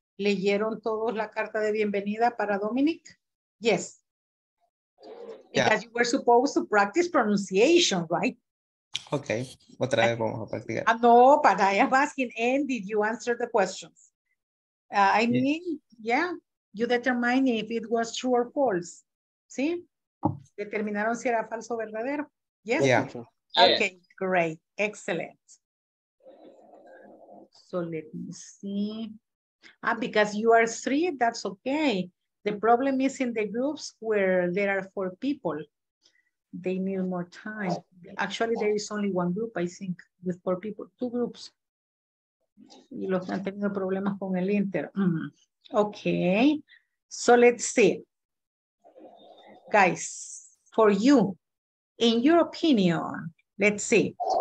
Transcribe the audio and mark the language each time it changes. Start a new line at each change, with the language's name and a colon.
Spanish: ¿Leyeron todos la carta de bienvenida para Dominic?
English: Yes. Yeah. Because you were supposed to practice pronunciation, right?
Spanish: Okay. Otra vez vamos a practicar.
English: No, but I am asking, and did you answer the questions? I mean, yeah, you determine if it was true or false. ¿Sí?
Spanish: ¿Determinaron si era falso o verdadero? Yes.
English: Yeah. Okay, yeah. Great. Excellent. So let me see. Ah, because you are three, that's okay. The problem is in the groups where there are four people. They need more time. Actually, there is only one group, I think, with four people, two groups.
Spanish: Y los que han tenido problemas con el inter.
English: Okay, so let's see. Guys, for you, in your opinion, let's see.